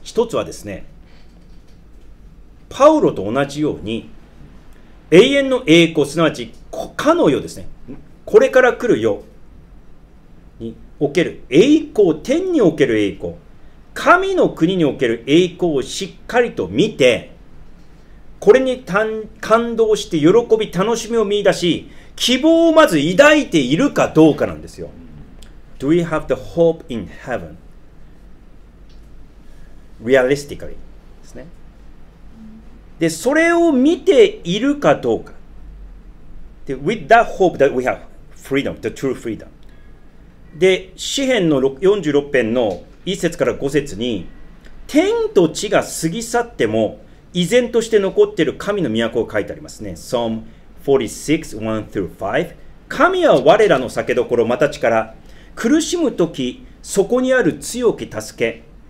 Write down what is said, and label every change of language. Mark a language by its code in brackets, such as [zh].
[ja] 一つはですね、パウロと同じように永遠の栄光、すなわち他の世ですね、これから来る世における栄光、天における栄光、神の国における栄光をしっかりと見て、これに感動して喜び楽しみを見出し、希望をまず抱いているかどうかなんですよ。 [en] Do we have the hope in heaven? [ja] Realistically ですね。で、それを見ているかどうか。 [en] で、With that hope that we have freedom, the true freedom. [ja] で、詩編の46編の1節から5節に、天と地が過ぎ去っても依然として残っている神の都を書いてありますね。 [en] Psalm 46:1-5。 [ja] 神は我らの酒どころ、また力。苦しむとき、そこにある強き助け。